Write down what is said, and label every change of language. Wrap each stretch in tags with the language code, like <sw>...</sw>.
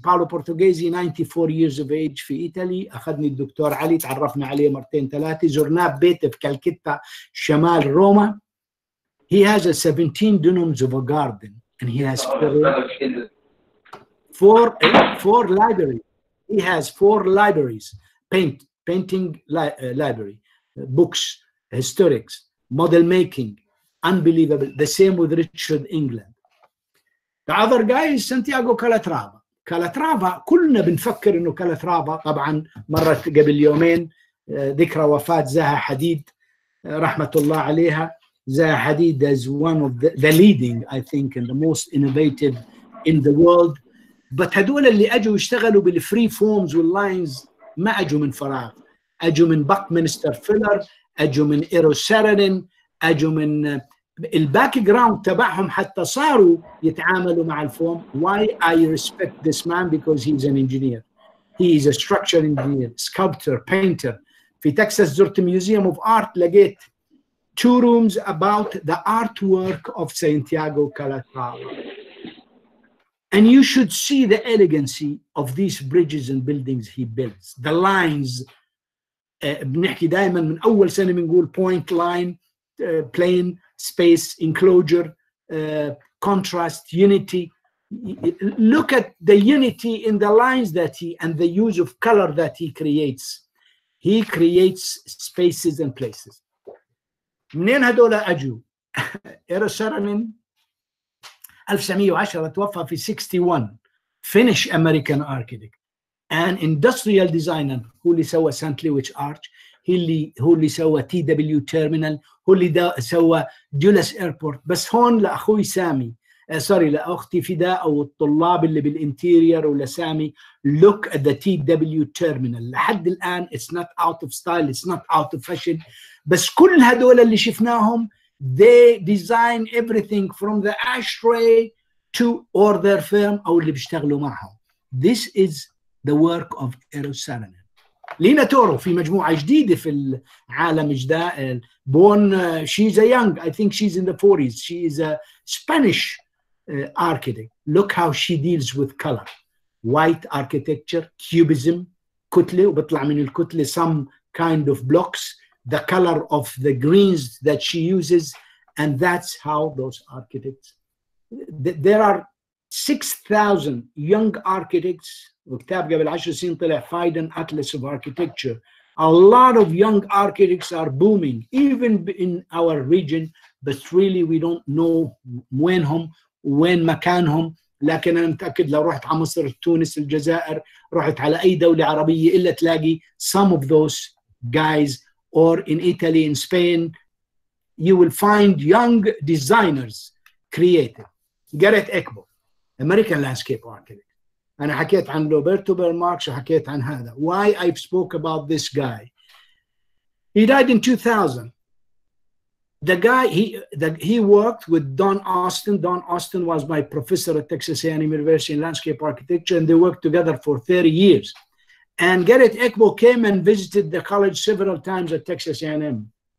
<en>Paolo Portoghesi, 94 years of age</en> <ar>في إيطاليا. أخذني الدكتور علي, تعرفنا عليه مرتين ثلاثة. زرناه بيته في كالكتا, شمال روما.</ar> <en>He has a 17 dunums of a garden, and he has four libraries. He has 4 libraries, painting library, books, historics, model making, unbelievable. The same with Richard England. The other guy is Santiago Calatrava.</en> <ar>Calatrava, كلنا بنفكر إنه Calatrava, طبعاً مرت قبل يومين ذكرى وفاة زها حديد رحمة الله عليها.</ar> <en>Zaha Hadid is one of the leading, I think, and the most innovative in the world.</en> <ar>But هدول اللي أجوا يشتغلوا بالfree forms واللines ما أجوا من فراغ. أجوا من Buckminster Fuller, أجوا من Eero Saarinen, أجوا من الباكجراوند تبعهم حتى صاروا يتعاملوا مع الفورم.</ar> <en>Why I respect this man? Because he's an engineer. He is a structural engineer, sculptor, painter.</en> <ar>في Texas زرت</ar> <en>Museum of Art,</en> <ar>لقيت</ar> <en>2 rooms about the artwork of Santiago Calatrava. And you should see the elegancy of these bridges and buildings he builds. The lines,</en> <ar>بنحكي دائما من أول سنة بنقول</ar> <en>point, line, plane, space, enclosure, contrast, unity. Look at the unity in the lines that he, and the use of color that he creates. He creates spaces and places.</en> <ar>منين هدول أجوا؟</ar> <en>Eero Saarinen 1910</en> <ar>توفى في 61,</ar> <en>Finnish American architect and industrial designer,</en> <ar>هو اللي سوى</ar> <en>St.</en> <ar>Louis Arch, هو اللي سوى TW Terminal, هو اللي سوى Dulles Airport. بس هون لأخوي سامي, لأختي فداء أو الطلاب اللي بالإنتيريور ولسامي,</ar> <en>look at the TW Terminal.</en> <ar>لحد الآن</ar> <en>it's not out of style, it's not out of fashion.</en> <ar>بس كل هدول اللي شفناهم,</ar> <en>they design everything from the ashtray to order firm</en> <ar>أو اللي بيشتغلوا معهم.</ar> <en>This is the work of Eero Saarinen.</en> <ar>لينا تورو في مجموعة جديدة في العالم جدائل.</ar> <en>Born, she's a young, I think she's in the 40s. She is a Spanish architect. Look how she deals with color. White architecture, cubism,</en> <ar>كتلة, وبطلع من الكتلة</ar> <en>some kind of blocks. The color of the greens that she uses, and that's how those architects. There are 6,000 young architects.</en> <ar>وكتاب قبل 10 سنين طلع فايدن أتلس</ar> <en>of architecture. A lot of young architects are booming, even in our region, but really we don't know</en> <ar>وينهم وين مكانهم. لكن أنا متأكد لو رحت على مصر، تونس، الجزائر، رحت على أي دولة عربية إلا تلاقي</ar> <en>some of those guys, or in Italy, in Spain, you will find young designers creative. Garrett Eckbo American landscape architect.</en> <ar>أنا حكيت عن روبرتو بيرماركس وحكيت عن هذا.</ar> <en>Why I spoke about this guy? He died in 2000. The guy, he worked with Don Austin. Don Austin was my professor at Texas A&M University in landscape architecture, and they worked together for 30 years. And Garrett Ekbo came and visited the college several times at Texas A&M.</en>